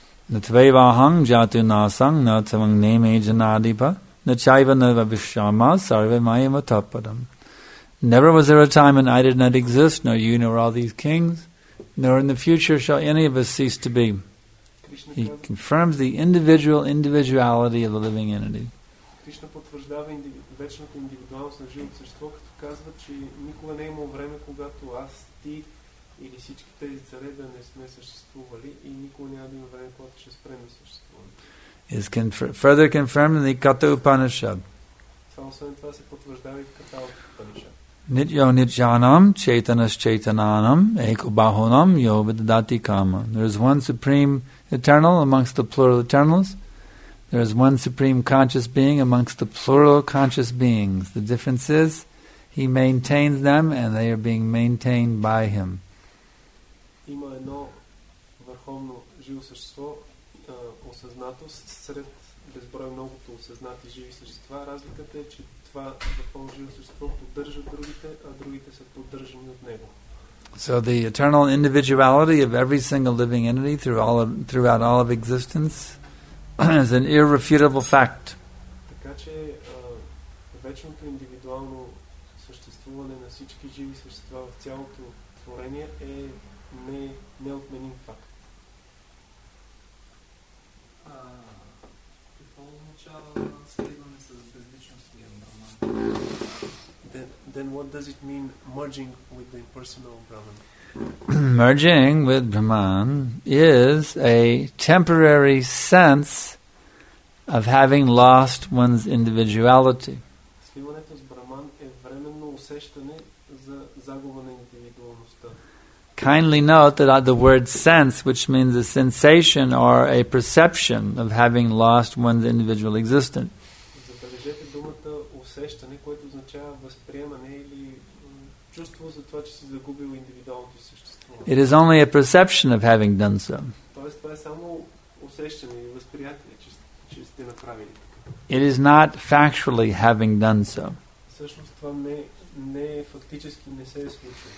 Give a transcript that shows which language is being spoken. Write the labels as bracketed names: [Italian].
[Sanskrit] Natvaiva hang jatu nasang na tvang neme janadipa na chaiva na vabhishama sarve mayam atapadam. [English] Never was there a time when I did not exist, nor you, nor all these kings, nor in the future shall any of us cease to be. He confirms the individuality of the living entity. [Bulgarian] Krishna потвърждава вечната индивидуалност на живото същество, като казва, че никога не е имало време, когато аз, ти или всички тези царе да не сме съществували и никога няма да има време, когато ще спрем да съществуваме. [English] Is further confirmed in the Katha Upanishad. [Bulgarian] Това освен това се потвърждава и в Katha Upanishad. [Sanskrit] Nityo nityanam chaitanas chaitananam eko bahunam yo vidadati kama. [English] There is one supreme eternal amongst the plural eternals. There is one supreme conscious being amongst the plural conscious beings. The difference is, he maintains them and they are being maintained by him. [Bulgarian] Има едно върховно живо същество, нашата осъзнатост сред безброй многото осъзнати живи същества. Разликата е, че това върховно живо същество поддържа другите, а другите са поддържани от него. [English] So the eternal individuality of every single living entity throughout all of existence is an irrefutable fact. [Bulgarian] Така че вечното индивидуално съществуване на всички живи същества в цялото творение е неотменим факт. [English] Then what does it mean merging with the impersonal Brahman? Merging with Brahman is a temporary sense of having lost one's individuality. [Bulgarian] Сливането с Брахман е временно усещане за загуба на индивидуалността. [English] Kindly note that the word sense, which means a sensation or a perception of having lost one's individual existence. [Bulgarian] Забележете думата усещане, което означава възприемане или чувство за това, че си загубил индивидуалното съществуване. [English] It is only a perception of having done so. [Bulgarian] Тоест, това е само усещане и възприятие, че сте направили така. [English] It is not factually having done so. [Bulgarian] Всъщност това не е фактически, не се е случило.